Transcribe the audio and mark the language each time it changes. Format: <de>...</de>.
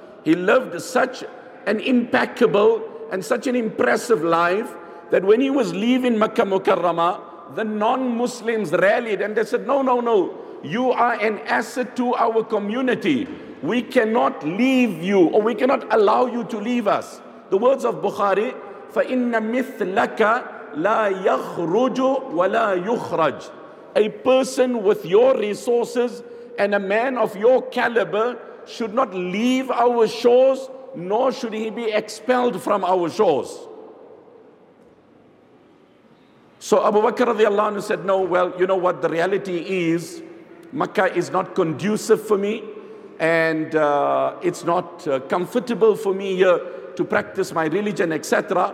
<en>He lived such an impeccable and such an impressive life that when he was leaving Makkah Mukarramah, the non-Muslims rallied and they said, no, you are an asset to our community. We cannot leave you, or we cannot allow you to leave us. The words of Bukhari,</en> <ar>فَإِنَّ مِثْلَكَ لَا يَخْرُجُ وَلَا يُخْرَجُ.</ar> <en>A person with your resources and a man of your caliber should not leave our shores, nor should he be expelled from our shores. So Abu Bakr radiallahu anhu said, no, well, you know what the reality is, Makkah is not conducive for me, and it's not comfortable for me here to practice my religion, etc.</en>